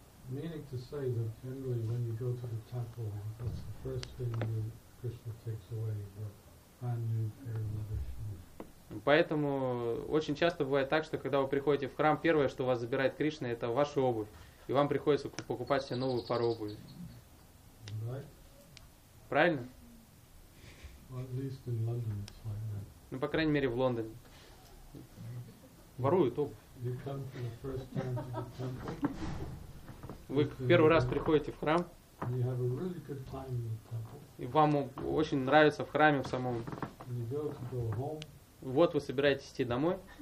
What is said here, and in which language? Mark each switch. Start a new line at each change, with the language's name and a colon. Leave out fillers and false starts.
English: Meaning to say that generally when you go to the temple, that's the first thing that Krishna takes away, the brand new pair of leather shoes.
Russian: Поэтому очень часто бывает так, что когда вы приходите в храм, первое, что вас забирает Кришна, это ваша обувь. И вам приходится покупать себе новую пару обуви.
English: Right.
Russian: Правильно?
English: Well, at least in London it's like that.
Russian: Ну, по крайней мере, в Лондоне. Воруют обувь.
English: You come for the first time to the temple.
Russian: Вы первый раз приходите в храм.
English: And you have a really good time in the temple.
Russian: И вам очень нравится в храме в самом.
English: And you go to go home.
Russian: Вот вы собираетесь идти домой.